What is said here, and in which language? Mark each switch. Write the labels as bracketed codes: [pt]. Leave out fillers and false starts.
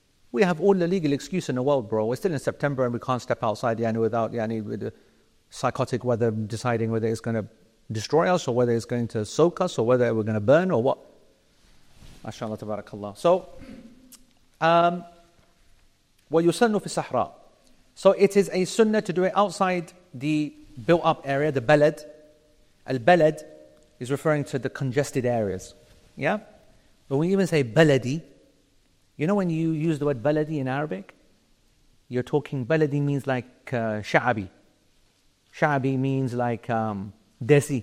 [en] We have all the legal excuse in the world, bro. We're still in September and we can't step outside without the psychotic weather deciding whether it's going to destroy us or whether it's going to soak us or whether we're going to burn or what. MashaAllah, tabarakallah. [ar] So, وَيُسَنُّ فِي الصَّحْرَى. [en] So it is a sunnah to do it outside the built-up area, the balad. Al-balad is referring to the congested areas. Yeah? But when you even say baladi, you know when you use the word baladi in Arabic? You're talking, baladi means like sha'abi. Sha'abi means like desi.